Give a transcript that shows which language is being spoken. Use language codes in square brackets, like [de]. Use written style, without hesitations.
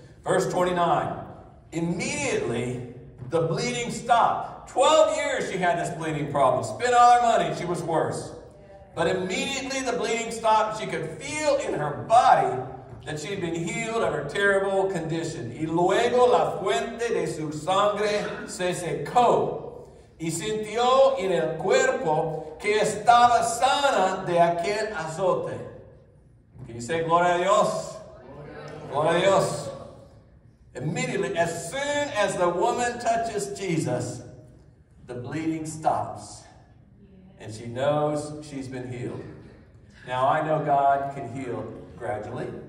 [en] Verse 29. Immediately, the bleeding stopped. 12 years she had this bleeding problem. Spent all her money. She was worse. But immediately the bleeding stopped. She could feel in her body that she had been healed of her terrible condition. [es] Y luego la fuente de su sangre se secó. Y sintió en el cuerpo que estaba sana de aquel azote. [en] Can you say [es] gloria a Dios? Gloria a Dios. [en] Immediately, as soon as the woman touches Jesus, the bleeding stops. And she knows she's been healed. Now, I know God can heal gradually.